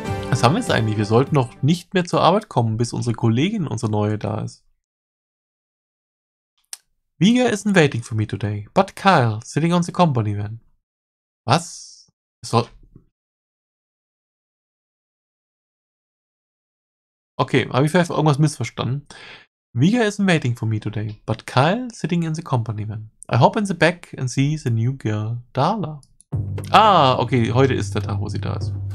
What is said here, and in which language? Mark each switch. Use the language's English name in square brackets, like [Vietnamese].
[German] Was haben wir jetzt eigentlich? Wir sollten noch nicht mehr zur Arbeit kommen, bis unsere Kollegin, unsere neue, da ist. [English] Viga isn't waiting for me today, but Kyle, sitting on the company van. [German] Was? Soll... [English] Okay, [German] habe ich vielleicht irgendwas missverstanden? [English] Viga isn't waiting for me today, but Kyle, sitting in the company van. I hop in the back and see the new girl, Darla. [German] Ah, okay, heute ist der Tag, wo sie da ist.